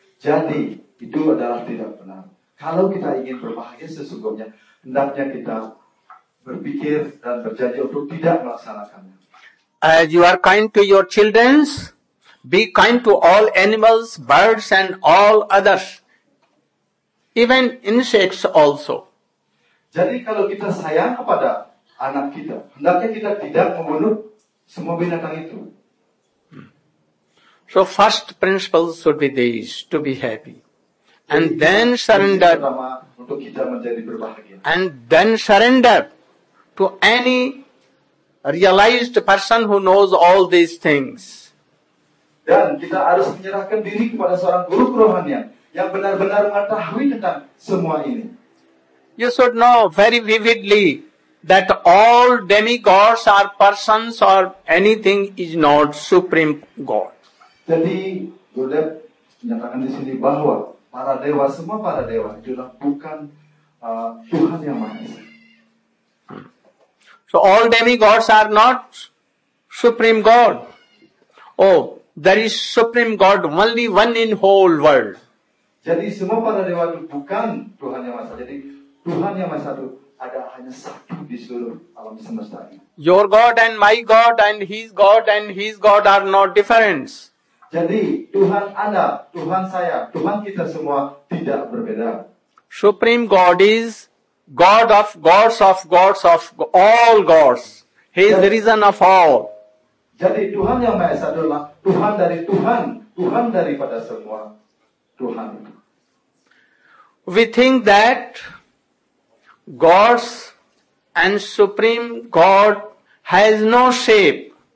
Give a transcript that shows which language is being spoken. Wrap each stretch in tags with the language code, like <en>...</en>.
<id>Jadi itu adalah tidak benar. Kalau kita ingin berbahagia sesungguhnya, hendaknya kita berpikir dan berjanji untuk tidak melaksanakannya.</id> <en>As you are kind to your children, be kind to all animals, birds and all others, even insects also.</en> <id>Jadi kalau kita sayang kepada anak kita, hendaknya kita tidak membunuh semua binatang itu.</id> <en>So first principle should be this, to be happy. And then surrender.</en> <id>Untuk kita menjadi berbahagia.</id> <en>And then surrender to any realized person who knows all these things.</en> <id>Dan kita harus menyerahkan diri kepada seorang guru kerohanian yang benar-benar mengetahui tentang semua ini.</id> <en>You should know very vividly that all demigods or persons or anything is not supreme God.</en> <id>Jadi Buddha menyatakan di sini bahwa para dewa, semua para dewa itulah bukan Tuhan yang Maha Esa.</id> <en>So all demigods are not supreme God. Oh, there is supreme God only one in whole world.</en> <id>Jadi semua para dewa itu bukan Tuhan yang Maha Esa. Jadi Tuhan yang Maha Esa itu ada hanya satu di seluruh alam semesta ini.</id> <en>Your God and my God and His God and His God are not different.</en> <id>Jadi Tuhan Anda, Tuhan saya, Tuhan kita semua tidak berbeda.</id> <en>Supreme God is God of gods of gods of all gods. He is the reason of all.</en> <id>Jadi Tuhan yang Maha Esa adalah Tuhan dari Tuhan, Tuhan daripada semua Tuhan.</id> <en>We think that gods and supreme God has no shape.</en>